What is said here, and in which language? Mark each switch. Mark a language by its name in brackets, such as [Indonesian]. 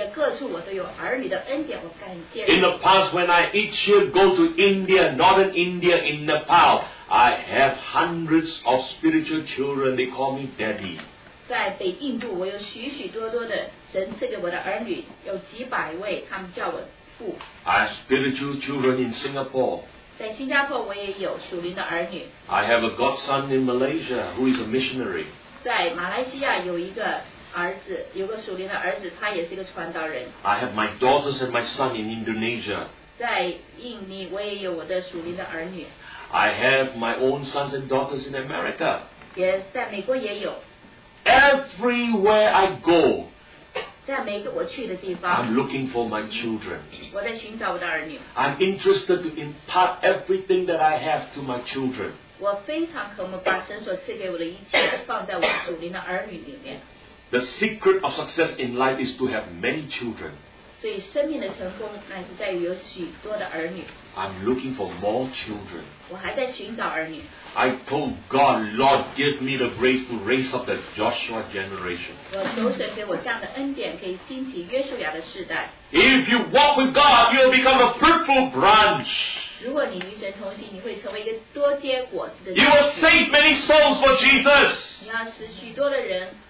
[English] In the past, when I each year go to India, northern India, in Nepal, I have hundreds of spiritual children. They call me daddy. [Chinese] 在北印度，我有许许多多的神赐给我的儿女，有几百位，他们叫我父。 [English] I have spiritual children in Singapore. [Chinese] 在新加坡，我也有属灵的儿女。 [English] I have a godson in Malaysia who is a missionary. [Chinese] 在马来西亚有一个儿子，有个属灵的儿子，他也是一个传道人。 [English] I have my daughters and my son in Indonesia. [Chinese] 在印尼，我也有我的属灵的儿女。 [English] I have my own sons and daughters in America. [Chinese] 也在美国也有。 [English] Everywhere I go, [Chinese] 在每个我去的地方, [English] I'm looking for my children. [Chinese] 我在寻找我的儿女。 [English] I'm interested to impart everything that I have to my children. [Chinese] 我非常渴慕把神所赐给我的一切放在我属灵的儿女里面。 [English] The secret of success in life is to have many children. [Chinese] 所以生命的成功乃是在于有许多的儿女。 [English] I'm looking for more children. [Chinese] 我还在寻找儿女。 [English] I told God, Lord, give me the grace to raise up the Joshua generation. If you walk with God, you will become a fruitful branch. You will save many souls for Jesus.